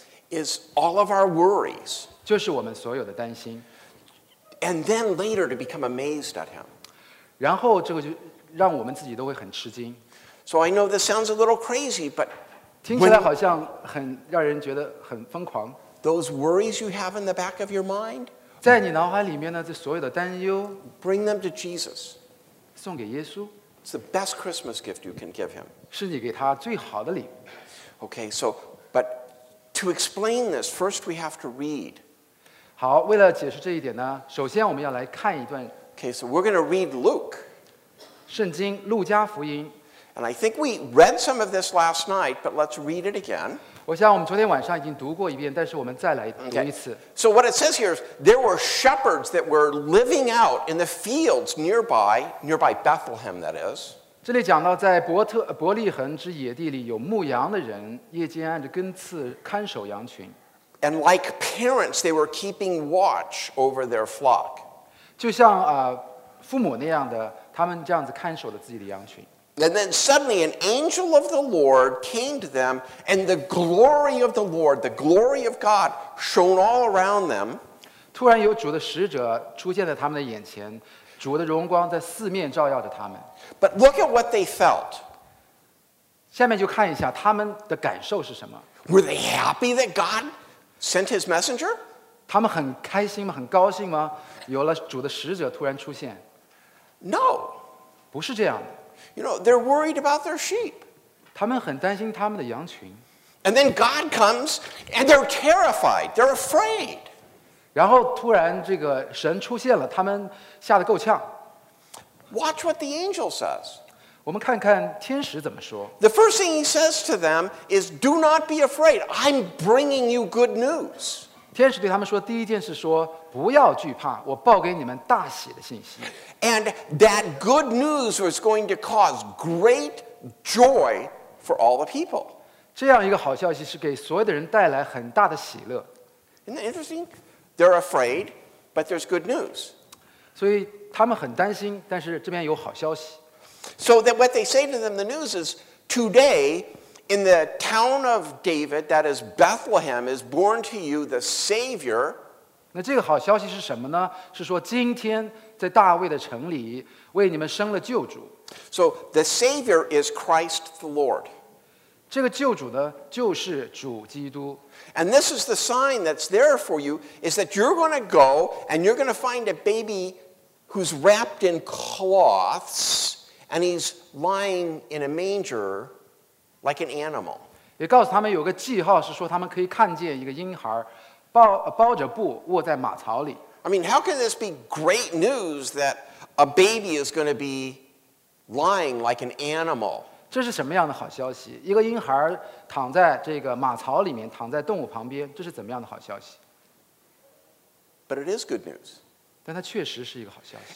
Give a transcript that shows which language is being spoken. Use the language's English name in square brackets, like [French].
[English] is all of our worries. [Chinese] 就是我们所有的担心。 [English] And then later to become amazed at him. [Chinese] 然后这个就让我们自己都会很吃惊。 [English] So I know this sounds a little crazy, but [Chinese] 听起来好像很让人觉得很疯狂。 [English] Those worries you have in the back of your mind, [Chinese] 在你脑海里面呢，这所有的担忧， [English] bring them to Jesus. [Chinese] 送给耶稣。 [English] It's the best Christmas gift you can give him. [Chinese] 是你给他最好的礼物。 [English] Okay, so, but to explain this, first we have to read. [Chinese] 好，为了解释这一点呢，首先我们要来看一段。 [English] Okay, so we're going to read Luke. [Chinese] 圣经，路加福音。 [English] And I think we read some of this last night, but let's read it again. [Chinese] 我想我们昨天晚上已经读过一遍，但是我们再来读一次。 [English] Okay. So what it says here is, there were shepherds that were living out in the fields nearby Bethlehem, that is. [Chinese] 这里讲到在伯利恒之野地里有牧羊的人，夜间按着根刺看守羊群。 [English] And like parents, they were keeping watch over their flock. [Chinese] 就像父母那样的，他们这样子看守了自己的羊群。 [English] And then suddenly an angel of the Lord came to them, and the glory of the Lord, the glory of God, shone all around them. [Chinese] 突然有主的使者出现在他们的眼前，主的荣光在四面照耀着他们。 [English] But look at what they felt. [Chinese] 下面就看一下他们的感受是什么。 [English] Were they happy that God sent his messenger? [Chinese] 他们很开心吗？很高兴吗？有了主的使者突然出现。 [English] No. [Chinese] 不是这样的。 [English] You know, they're worried about their sheep. [Chinese] 他们很担心他们的羊群。 [English] And then God comes, and they're terrified. They're afraid. [Chinese] 然后突然这个神出现了，他们吓得够呛。 [English] Watch what the angel says. [Chinese] 我们看看天使怎么说。 [English] The first thing he says to them is, "Do not be afraid. I'm bringing you good news." [Chinese] 天使对他们说，第一件事说，不要惧怕，我报给你们大喜的信息。 [English] And that good news was going to cause great joy for all the people. [Chinese] 这样一个好消息是给所有的人带来很大的喜乐。 [English] Isn't that interesting? They're afraid, but there's good news. [Chinese] 所以他们很担心，但是这边有好消息。 [English] So that what they say to them, the news is, today, in the town of David, that is Bethlehem, is born to you the Savior. [Chinese] 那这个好消息是什么呢？是说今天在大卫的城里为你们生了救主。 [English] So the Savior is Christ the Lord. [Chinese] 这个救主呢，就是主基督。 [English] And this is the sign that's there for you, is that you're going to go and you're going to find a baby who's wrapped in cloths and he's lying in a manger like an animal. [Chinese] 也告诉他们有个记号，是说他们可以看见一个婴孩包着布卧在马槽里。 [English] I mean, how can this be great news that a baby is going to be lying like an animal? [Chinese] 这是什么样的好消息？一个婴孩躺在这个马槽里面，躺在动物旁边，这是怎么样的好消息？ [English] But it is good news. [Chinese] 但它确实是一个好消息。